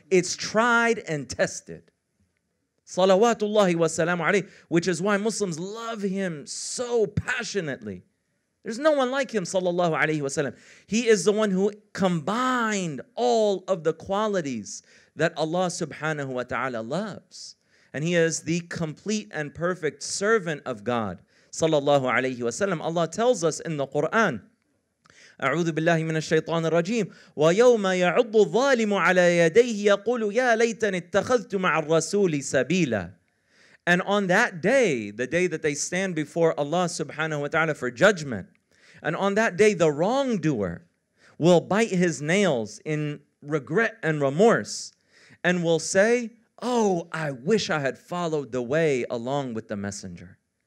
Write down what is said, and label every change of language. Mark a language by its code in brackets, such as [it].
[en] It's tried and tested. Salawatullahi wa salam alayhi, which is why Muslims love him so passionately. There's no one like him, sallallahu alayhi wa sallam. He is the one who combined all of the qualities that Allah subhanahu wa ta'ala loves. And he is the complete and perfect servant of God, sallallahu alayhi wa sallam. Allah tells us in the Quran, [ar] أعوذ بالله من الشيطان الرجيم ويوم يعض الظالم على يديه يقول يا ليتني اتخذت مع الرسول سبيلا. [en] And on that day, the day that they stand before Allah subhanahu wa ta'ala for judgment, and on that day the wrongdoer will bite his nails in regret and remorse and will say, oh, I wish I had followed the way along with the messenger.